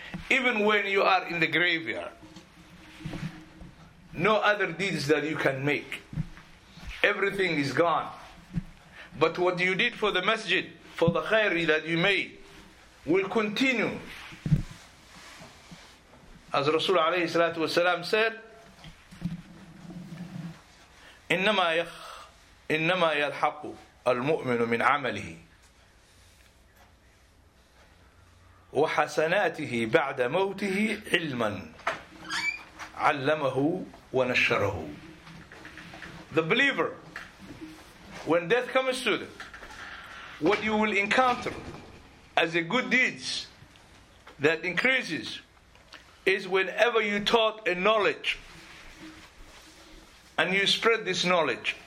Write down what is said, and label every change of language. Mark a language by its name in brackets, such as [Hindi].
[English] Even when you are in the graveyard, no other deeds that you can make. Everything is gone. But what you did for the masjid, for the khairi that you made, will continue. As Rasul alayhi salatu wasalam said, [Arabic] إِنَّمَا يَلْحَقُ الْمُؤْمِنُ مِنْ عَمَلِهِ وَحَسَنَاتِهِ بَعْدَ مَوْتِهِ عِلْمًا عَلَّمَهُ وَنَشَّرَهُ. [English] The believer, when death comes to them, what you will encounter as a good deeds that increases is whenever you taught a knowledge and you spread this knowledge.